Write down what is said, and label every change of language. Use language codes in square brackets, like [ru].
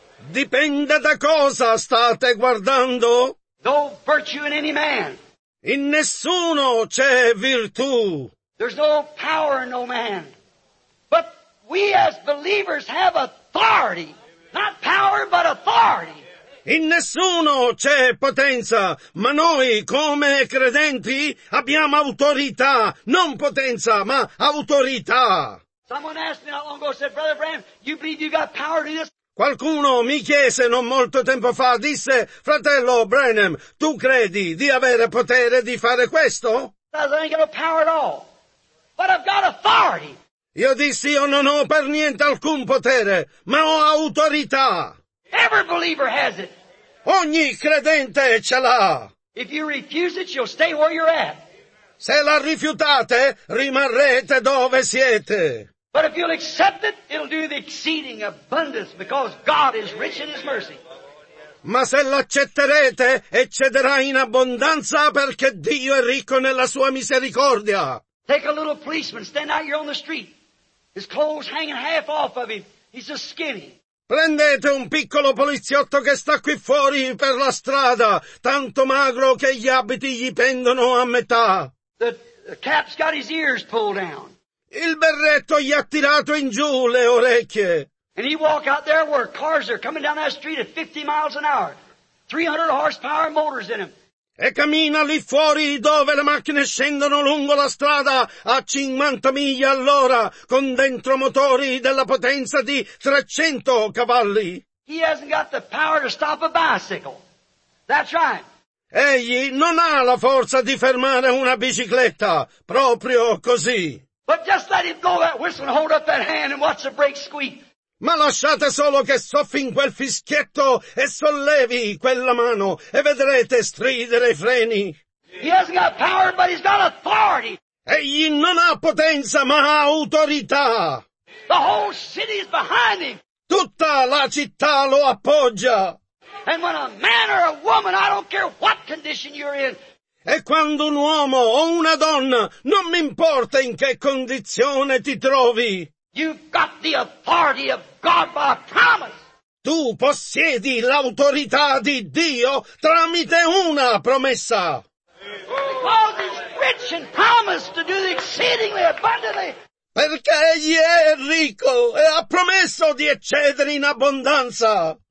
[it] Dipende da cosa state guardando? [en] No virtue in any man. [it] In nessuno c'è virtù. [en] There's no power in no man. But we as believers have authority. Not power, but authority. [it] In nessuno c'è potenza, ma noi come credenti abbiamo autorità, non potenza, ma autorità. [en] Someone asked me not long ago, said, Brother Branham, you believe you got power to this? [it] Qualcuno mi chiese non molto tempo fa, disse, fratello Branham, tu credi di avere potere di fare questo? [en] I ain't got no power at all, but I've got authority. [it] Io dissi, io non ho per niente alcun potere, ma ho autorità. [en] Every believer has it. [it] Ogni credente ce l'ha. [en] If you refuse it, you'll stay where you're at. [it] Se la rifiutate, rimarrete dove siete. [en] But if you'll accept it, it'll do the exceeding abundance because God is rich in his mercy. [it] Ma se l'accetterete, eccederà in abbondanza perché Dio è ricco nella sua misericordia. [en] Take a little policeman, stand out here on the street. His clothes hanging half off of him. He's just skinny. [it] Prendete un piccolo poliziotto che sta qui fuori per la strada, tanto magro che gli abiti gli pendono a metà. [en] The cap's got his ears pulled down. [it] Il berretto gli ha tirato in giù le orecchie. [en] And he walk out there where cars are coming down that street at 50 miles an hour. 300 horsepower motors in him. [it] E cammina lì fuori dove le macchine scendono lungo la strada a 50 miglia all'ora con dentro motori della potenza di 300 cavalli. [en] He hasn't got the power to stop a bicycle. That's right. [it] Egli non ha la forza di fermare una bicicletta, proprio così. [en] But just let him go that whistle and hold up that hand and watch the brakes squeak. [it] Ma lasciate solo che soffi in quel fischietto e sollevi quella mano e vedrete stridere i freni. [en] He hasn't got power, but he's got authority. [it] Egli non ha potenza, ma ha autorità. [en] The whole city is behind him. [it] Tutta la città lo appoggia. [en] And when a man or a woman, I don't care what condition you're in. [it] E quando un uomo o una donna, non mi importa in che condizione ti trovi. [en] You've got the authority of God by promise. [it] Tu possiedi l'autorità di Dio tramite una promessa. [en] Because he's rich in promise to do exceedingly abundantly. [it] Perché egli è ricco e ha promesso di eccedere in abbondanza.